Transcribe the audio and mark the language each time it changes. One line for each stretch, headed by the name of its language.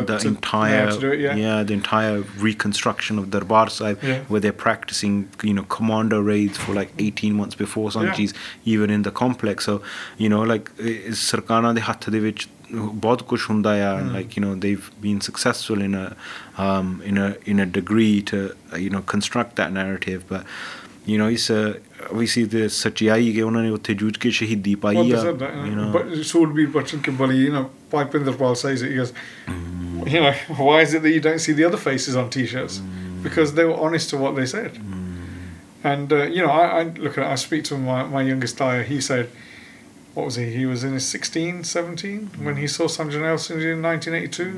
English: the entire reconstruction of Darbar Sahib, where they're practicing, you know, commander raids for like 18 months before Sanji's even in the complex. So, you know, like,
Punjabi: ਸਰਕਾਰਾਂ ਦੇ ਹੱਥ ਦੇ ਵਿਚ, ਬਹੁਤ ਕੁਝ ਹੁੰਦਾ ਆ,
English: like, you know, they've been successful in a degree to, you know, construct that narrative, but... You know, obviously
Punjabi: ਦ ਸੱਚਾਈ ਕੇ ਉਨ੍ਹਾਂ ਨੇ ਉੱਥੇ ਜੂਝ ਕੇ ਸ਼ਹੀਦੀ ਪਾਈਆ.
English: You know, but Sudhir Bachchan ke bali, you know, Bipinder Pal says it. He goes, you know, why is it that you don't see the other faces on T-shirts? Because they were honest to what they said. And you know, I speak to my youngest daughter. He said, what was he? He was in his 16, 17 when he saw Sanjan El Sinji in 1982.